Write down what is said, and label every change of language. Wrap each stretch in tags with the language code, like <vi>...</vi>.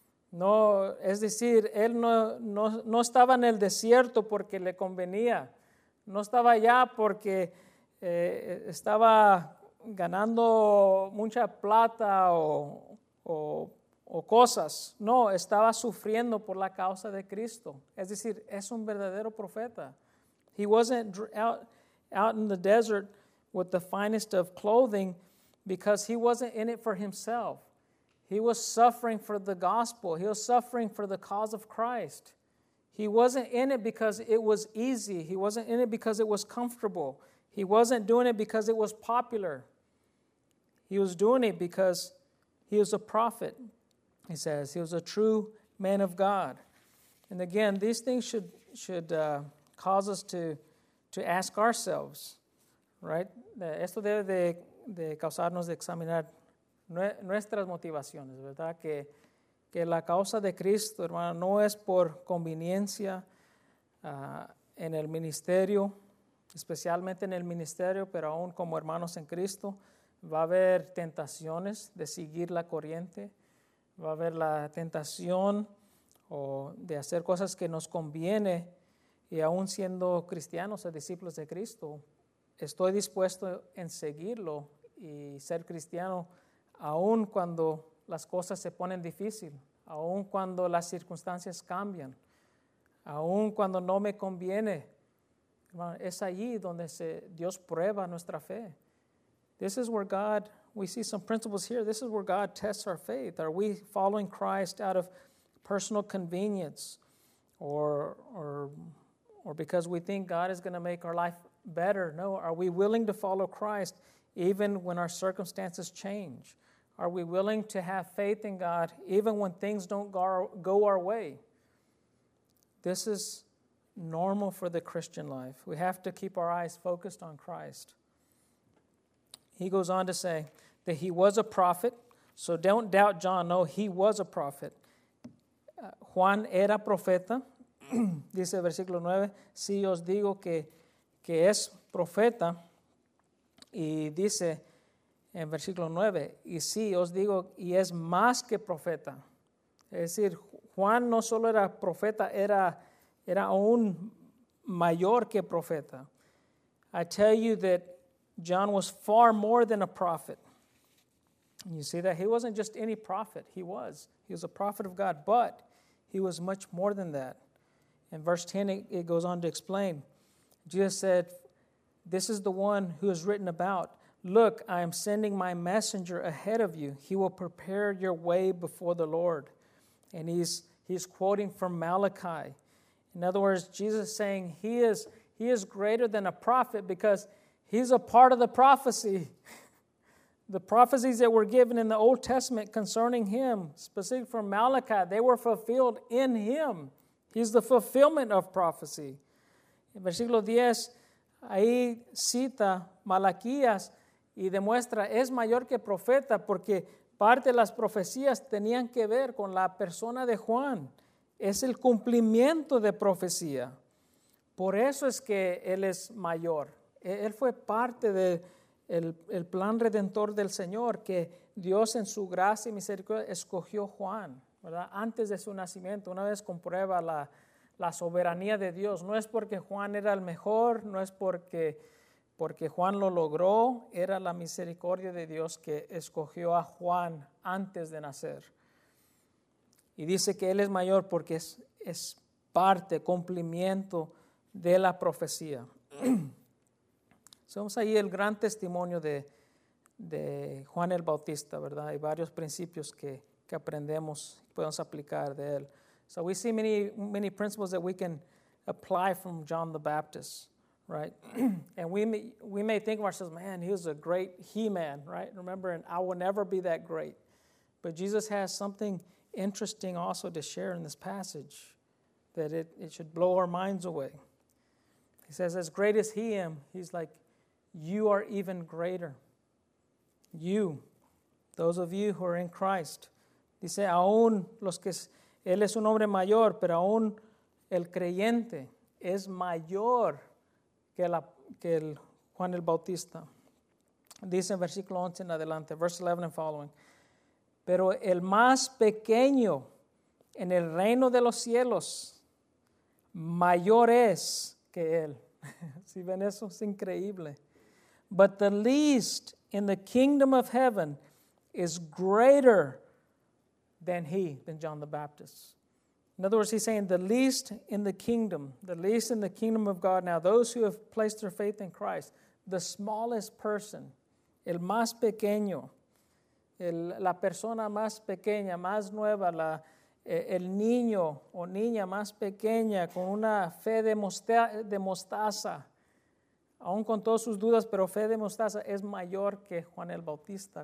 <es>No, es decir, él no estaba en el desierto porque le convenía. No estaba allá porque estaba ganando mucha plata o cosas. No, estaba sufriendo por la causa de Cristo. Es decir, es un verdadero profeta.</es> <en>He wasn't out in the desert with the finest of clothing because he wasn't in it for himself. He was suffering for the gospel. He was suffering for the cause of Christ. He wasn't in it because it was easy. He wasn't in it because it was comfortable. He wasn't doing it because it was popular. He was doing it because he was a prophet, he says. He was a true man of God. And again, these things should cause us to ask ourselves, right? Esto debe de causarnos de examinar nuestras motivaciones, ¿verdad? Que la causa de Cristo, hermano, no es por conveniencia en el ministerio, especialmente en el ministerio, pero aún como hermanos en Cristo, va a haber tentaciones de seguir la corriente, va a haber la tentación o de hacer cosas que nos conviene, y aún siendo cristianos o discípulos de Cristo, estoy dispuesto en seguirlo y ser cristiano aun cuando las cosas se ponen difícil, aun cuando las circunstancias cambian, aun cuando no me conviene, hermano, es allí donde Dios prueba nuestra fe. This is where God, we see some principles here, this is where God tests our faith. Are we following Christ out of personal convenience or because we think God is going to make our life better? No, are we willing to follow Christ even when our circumstances change? Are we willing to have faith in God even when things don't go our way? This is normal for the Christian life. We have to keep our eyes focused on Christ. He goes on to say that he was a prophet. So don't doubt John. No, he was a prophet.</en> <es>Juan era profeta. Dice el versículo 9. Si os digo que es profeta, Y dice en versículo 9, y sí, os digo, y es más que profeta. Es decir, Juan no solo era profeta, era aún mayor que profeta.</es> <en>I tell you that John was far more than a prophet. You see that he wasn't just any prophet. He was a prophet of God, but he was much more than that. In verse 10, it goes on to explain. Jesus said, this is the one who is written about. Look, I am sending my messenger ahead of you. He will prepare your way before the Lord. And he's quoting from Malachi. In other words, Jesus is saying he is greater than a prophet because he's a part of the prophecy. The prophecies that were given in the Old Testament concerning him, specifically from Malachi, they were fulfilled in him. He's the fulfillment of prophecy.</en> <es>En versículo 10, ahí cita Malaquías y demuestra, es mayor que profeta porque parte de las profecías tenían que ver con la persona de Juan. Es el cumplimiento de profecía. Por eso es que él es mayor. Él fue parte de el plan redentor del Señor que Dios en su gracia y misericordia escogió Juan, ¿verdad? Antes de su nacimiento, una vez comprueba la soberanía de Dios. No es porque Juan era el mejor, no es porque Juan lo logró, era la misericordia de Dios que escogió a Juan antes de nacer. Y dice que él es mayor porque es parte, cumplimiento de la profecía. Somos ahí el gran testimonio de Juan el Bautista, ¿verdad? Hay varios principios que aprendemos, podemos aplicar de él.</es> <en>So we see many, many principles that we can apply from John the Baptist, right? And we may think of ourselves, man, he was a great he-man, right? Remember, and I will never be that great. But Jesus has something interesting also to share in this passage that it should blow our minds away. He says, as great as he am, he's like, you are even greater. You, those of you who are in Christ.</en> <es>Dice, aún los que, él es un hombre mayor, pero aún el creyente es mayor que el Juan el Bautista. Dice en versículo 11 en adelante,</es> <en>verse 11 and following.</en> <es>Pero el más pequeño en el reino de los cielos, mayor es que él. Si ven eso, es increíble.</es> <en>But the least in the kingdom of heaven is greater than John the Baptist. In other words, he's saying the least in the kingdom, the least in the kingdom of God. Now, those who have placed their faith in Christ, the smallest person,</en> <es>el más pequeño, la persona más pequeña, más nueva, el niño o niña más pequeña con una fe de mostaza, aún con todas sus dudas, pero fe de mostaza es mayor que Juan el Bautista.</es>